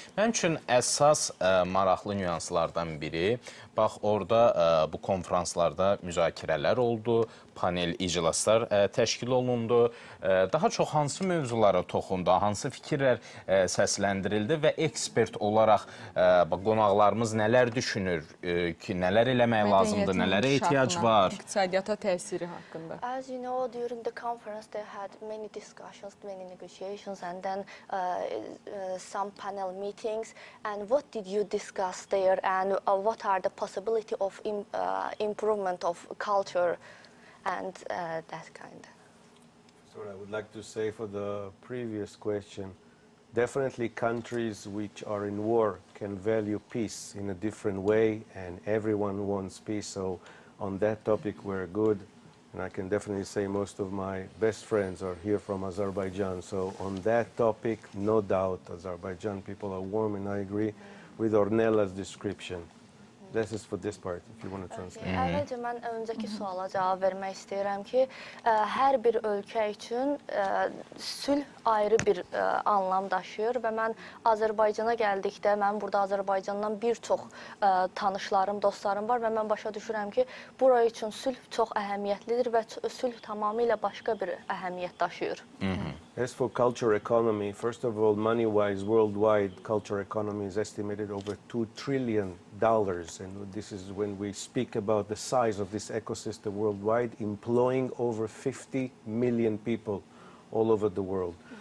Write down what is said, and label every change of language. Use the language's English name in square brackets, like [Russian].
[Azerbaijani] Mənim üçün əsas maraqlı nüanslardan biri, bax orada bu konferanslarda müzakirələr oldu, panel iclaslar təşkil olundu. Daha çox hansı mövzulara toxundu, hansı fikirlər səsləndirildi və ekspert olaraq qonaqlarımız nələr düşünür ki, nələr eləmək lazımdır, nələrə ehtiyac var? İqtisadiyyata təsiri haqqında. [English] As you know, during the conference they had many discussions, many negotiations and then some panel meetings. And what did you discuss there and what are the possibility of improvement of culture and that kind? What I would like to say for the previous question, definitely countries which are in war can value peace in a different way, and everyone wants peace, so on that topic we're good, and I can definitely say most of my best friends are here from Azerbaijan, so on that topic, no doubt, Azerbaijan people are warm, and I agree with Ornella's description. This is for this part, if you want to translate. Okay. [Azerbaijani] Mm-hmm. Əvvəlcə, mən öncəki suala cavab vermək istəyirəm ki, hər bir ölkə üçün sülh ayrı bir anlam daşıyır və mən Azərbaycana gəldikdə, mən burada Azərbaycandan bir çox tanışlarım, dostlarım var və mən başa düşürəm ki, bura üçün sülh çox əhəmiyyətlidir və sülh tamamilə başqa bir əhəmiyyət daşıyır. Mm-hmm. [English] As for culture economy, first of all, money-wise, worldwide culture economy is estimated over $2 trillion. And this is when we speak about the size of this ecosystem worldwide, employing over 50 million people all over the world.